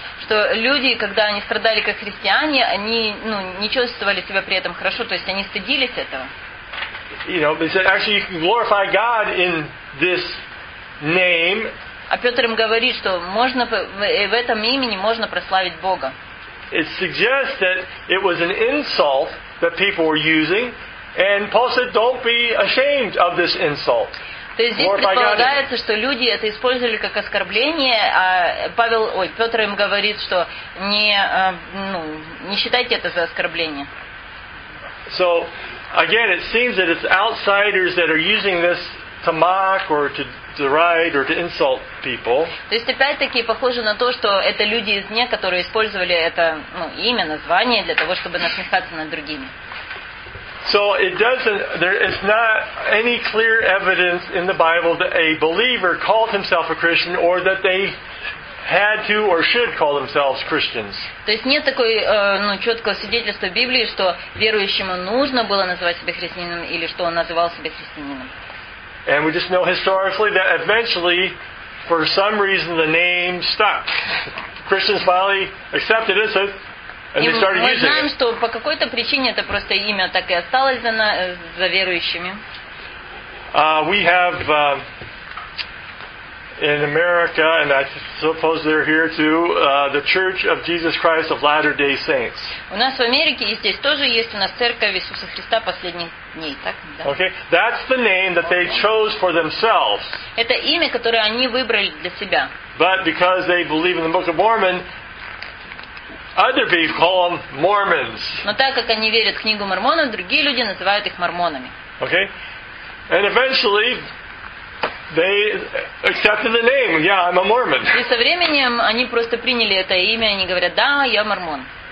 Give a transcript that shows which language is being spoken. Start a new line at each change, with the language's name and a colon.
Russian: Что люди, когда они страдали как христиане, они ну, не чувствовали себя при этом хорошо, то есть они стыдились этого.
English: You know, they said actually you can glorify God in this name.
Russian: А Петр им говорит, что можно в этом имени можно прославить Бога.
English: It suggests that it was an insult that people were using, and Paul said, "Don't be ashamed of this insult."
Russian: То есть здесь предполагается, что люди это использовали как оскорбление, а Павел, ой, Петр им говорит, что не, ну, не считайте это за оскорбление.
English: So. Again, it seems that it's outsiders that are using this to mock or to deride or to insult people.
Russian: То есть опять-таки похоже на то, что это люди извне, которые использовали это ну, имя, название для того, чтобы насмехаться над другими.
English: So it doesn't. There is not any clear evidence in the Bible that a believer called himself a Christian or that they had to or should call themselves Christians.
Russian: То есть нет такой ну четкого свидетельства Библии, что верующему нужно было называть себя христианином или что он называл себя христианином.
English: And we just know historically that eventually, for some reason, the name stuck. Christians finally accepted it, and they started using it.
Russian: Мы знаем, что по какой-то причине это просто имя так и осталось за верующими.
English: We have. In America, and I suppose they're here too, the Church of Jesus Christ of Latter-day Saints.
Russian: У нас в Америке и здесь тоже есть у нас церковь Иисуса Христа последних дней, так? Да.
English: Okay, that's the name that they chose for themselves.
Russian: Это имя, которое они выбрали для себя.
English: But because they believe in the Book of Mormon, other people call them Mormons.
Russian: Но так как они верят в книгу Мормонов, другие люди называют их мормонами.
English: Okay, and eventually. They accepted the name. Yeah, I'm a Mormon.
Russian: И со временем они просто приняли это имя, они говорят: "Да, я мормон".